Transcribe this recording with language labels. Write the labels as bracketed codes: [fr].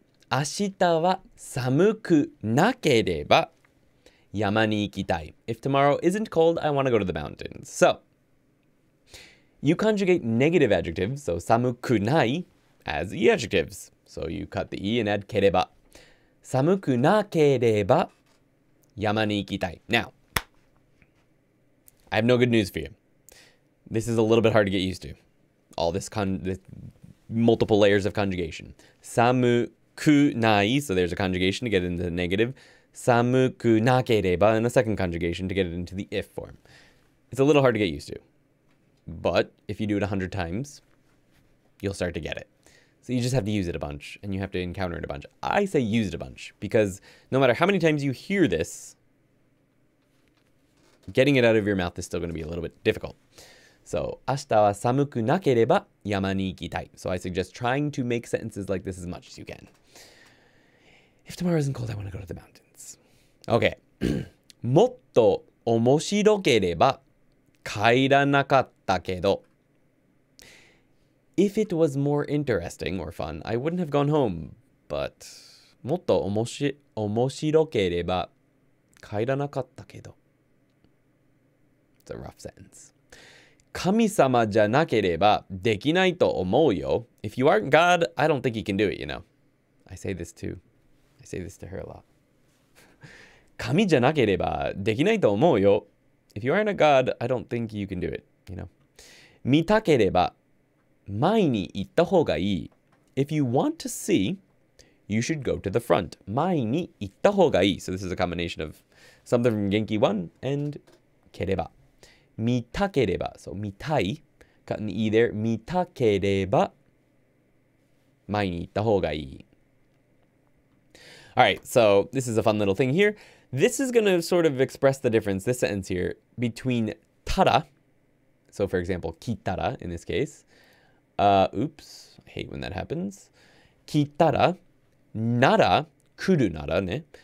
[ja] 明日は寒くなければ山に行きたい。 [en] If tomorrow isn't cold, I want to go to the mountains. So, you conjugate negative adjectives, so 寒くない, as e adjectives. So you cut the e and add ければ。 [ja] 寒くなければ山に行きたい。 [en] Now, I have no good news for you. This is a little bit hard to get used to. All this, this multiple layers of conjugation. [ja] 寒くない, [en] so there's a conjugation to get into the negative. 寒くなければ and a second conjugation to get it into the if form. It's a little hard to get used to. But if you do it 100 times, you'll start to get it. So you just have to use it a bunch and you have to encounter it a bunch. I say use it a bunch because no matter how many times you hear this, getting it out of your mouth is still going to be a little bit difficult. [ja] So 明日は寒くなければ山に行きたい. [en] So I suggest trying to make sentences like this as much as you can. If tomorrow isn't cold, I want to go to the mountain. Okay. [ja] もっと面白ければ帰らなかったけど。 [en] If it was more interesting or fun, I wouldn't have gone home. But [ja] もっと面白ければ帰らなかったけど。 [en] It's a rough sentence. [ja] 神様じゃなければできないと思うよ。 [en] If you aren't God, I don't think you can do it, you know. I say this to her a lot. [ja] 神じゃなければできないと思うよ。 [en] If you aren't a god, I don't think you can do it, you know. [ja] 見たければ前に行った方がいい。 [en] If you want to see, you should go to the front. [ja] 前に行った方がいい。 [en] So this is a combination of something from Genki 1 and [ja] ければ。見たければ。So 見たい。 [en] Cut an E there. [ja] 見たければ前に行った方がいい。 [en] All right, so this is a fun little thing here. This is going to sort of express the difference, this sentence here, between tada. So for example, kitara in this case. Oops, I hate when that happens. Kitara, nara, kuru nara, ne?